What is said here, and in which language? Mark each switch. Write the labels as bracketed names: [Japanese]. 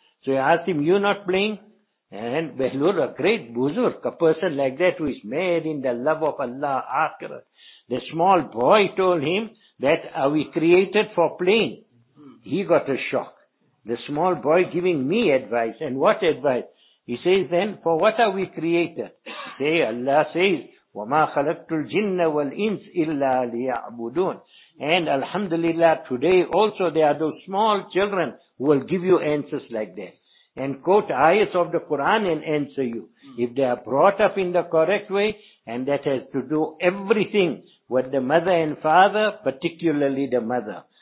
[English] So he asked him, "You not playing?" And Behlul, a great buzurg, a person like that who is mad in the love of Allah, Akhirat. The small boy told him, that we created for playing. He got a shock. the small boy giving me advice. And what advice? He says then, for what are we created? Say, Allah says, [Arabic] وَمَا خَلَقْتُ الْجِنَّ وَالْإِنْسِ إِلَّا لِيَعْبُدُونَ. [English] And alhamdulillah, today also there are those small children who will give you answers like that. And quote ayats of the Quran and answer you. If they are brought up in the correct way, and that has to do everything with the mother and father, particularly the mother.